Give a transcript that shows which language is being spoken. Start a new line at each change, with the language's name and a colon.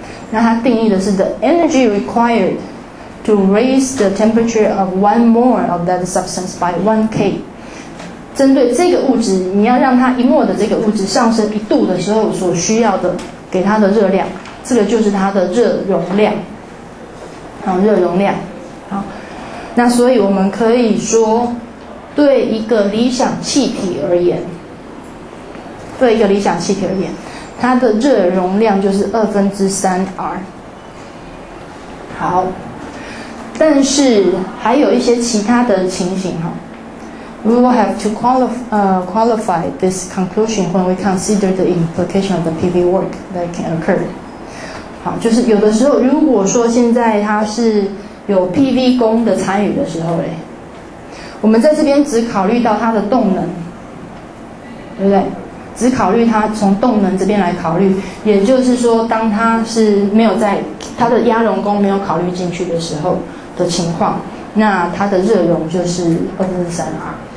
Chinese: 那它定义的是
English: the energy required to raise the temperature of one mole of that substance by 1K。
Chinese: 针对这个物质，你要让它一摩的这个物质上升一度的时候所需要的给它的热量，这个就是它的热容量。好，热容量。好，那所以我们可以说，对一个理想气体而言，对一个理想气体而言，它的热容量就是二分之三 R。好，但是还有一些其他的情形哈。
English: We will have to qualify this conclusion when we consider the implication of the PV work that can occur。
Chinese: 好，就是有的时候如果说现在它是有 PV 工的参与的时候，我们在这边只考虑到它的动能，对不对？只考虑它从动能这边来考虑，也就是说当它是没有在它的压容功没有考虑进去的时候的情况，那它的热容就是二分之三 R。